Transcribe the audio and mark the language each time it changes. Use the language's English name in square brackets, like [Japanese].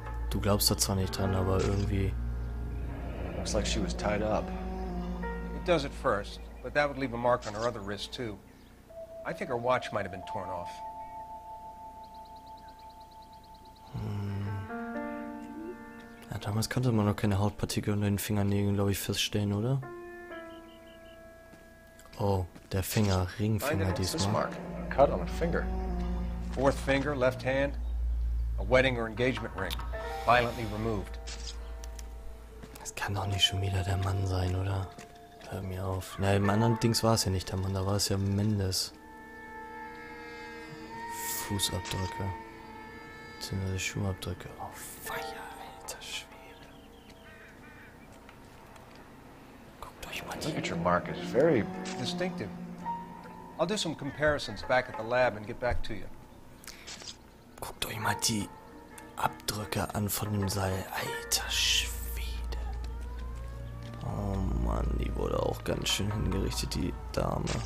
[German] Du glaubst da zwar nicht dran, aber irgendwie... [English] Looks like she was tied up. It does at first, but that would leave a mark on her other wrist, too. I think her watch might have been torn off. [German] Ja, damals konnte man noch keine Hautpartikel unter den Fingernägeln, glaube ich, feststellen, oder? Oh, der Finger, Ringfinger diesmal. [English] Mark. Cut on a finger. Fourth finger, left hand. A wedding or engagement ring. Violently removed. [German] Das kann doch nicht schon wieder der Mann sein, oder? Hör mir auf. Na, im anderen Dings war es ja nicht der Mann, da war es ja Mendes. Fußabdrücke. Beziehungsweise Schuhabdrücke. Oh, Feier, alter Schwede. Guckt euch mal die. [English] Look at your mark, it's very distinctive. I'll do some comparisons back at the lab and get back to you. [German] Guckt euch mal die Abdrücke an von dem Seil. Alter Schwede. Oh Mann, die wurde auch ganz schön hingerichtet, die Dame.